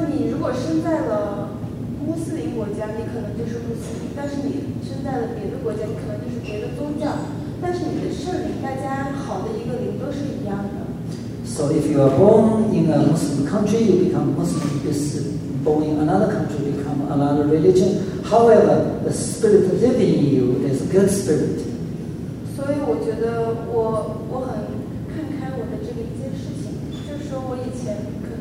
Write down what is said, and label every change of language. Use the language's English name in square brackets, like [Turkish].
[Chinese] 如果生在了穆斯林国家，你可能就是穆斯林；但是你生在了别的国家，你可能就是别的宗教。但是你的圣灵，大家好的一个灵都是一样的。 [English] So if you are born in a Muslim country, you become Muslim. If you are born in another country, you become another religion. However, the spirit living in you is a good spirit. [Chinese] 所以我觉得我很看开我的这个一件事情，就是说我以前。